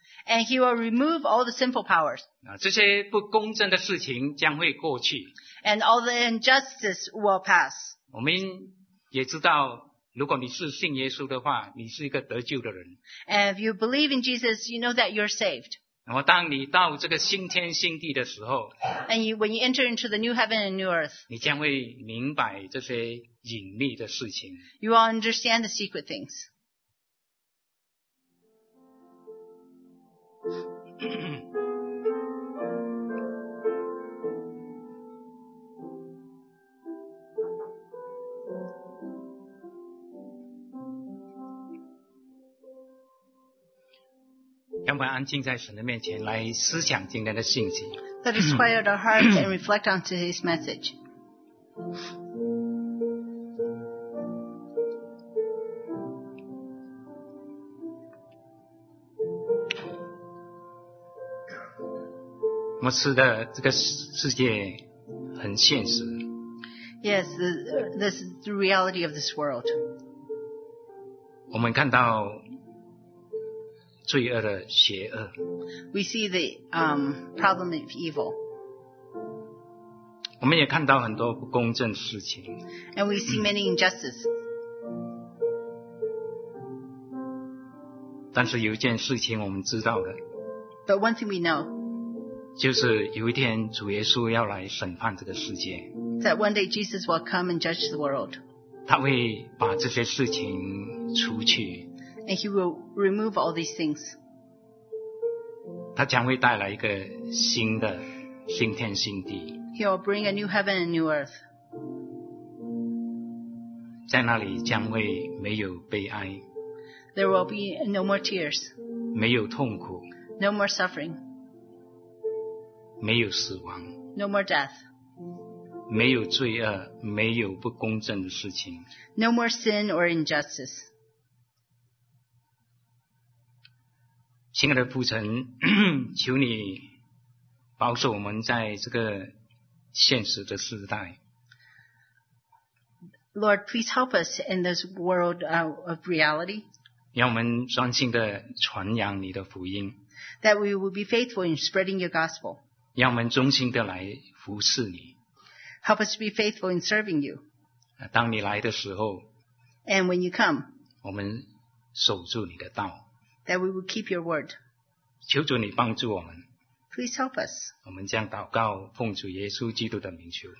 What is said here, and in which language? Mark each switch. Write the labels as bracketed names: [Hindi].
[English] and he will remove all the sinful powers. [Chinese] 这些不公正的事情将会过去, [English] and all the injustice will pass. [Chinese] 我们也知道, 如果你是信耶稣的话, 你是一个得救的人, [English] and if you believe in Jesus, you know that you're saved. [Chinese] 当你到这个新天新地的时候, [English] and you, when you enter into the new heaven and new earth, [Chinese] 你将会明白这些隐秘的事情, [English] you will understand the secret things. [Chinese] 让我们安静在神的面前来思想今天的信息。 [English] Let us quiet our hearts and reflect on today's message. [Chinese] 我们知道这个世界很现实。 [English] Yes, this is the reality of this world. [Chinese] 我们看到罪恶的邪恶。 [English] We see the problem of evil. [Chinese] 我们也看到很多不公正的事情。 [English] And we see many injustices. [Chinese] 但是有一件事情我们知道的。 [English] But one thing we know. [Chinese] 就是有一天主耶稣要来审判这个世界。 [English] That one day Jesus will come and judge the world. [Chinese] 他会把这些事情除去。 [English] And he will remove all these things. [Chinese] 他将会带来一个新的新天新地。 [English] He will bring a new heaven and new earth. [Chinese] 在那里将会没有悲哀。 [English] There will be no more tears. [Chinese] 没有痛苦。 [English] No more suffering. [Chinese] 没有死亡。 [English] No more death. [Chinese] 没有罪恶，没有不公正的事情。 [English] No more sin or injustice. [Chinese] 亲爱的父神，求你保守我们在这个现实的时代。 [English] Lord, please help us in this world of reality. [Chinese] 让我们专心地传扬你的福音。 [English] That we will be faithful in spreading your gospel. [Chinese] 让我们忠心地来服侍你。 [English] Help us to be faithful in serving you. [Chinese] 当你来的时候。 [English] And when you come. [Chinese] 我们守住你的道。 [English] That we will keep your word. [Chinese] 求主你帮助我们。 [English] Please help us. [Chinese] 我们这样祷告，奉主耶稣基督的名求。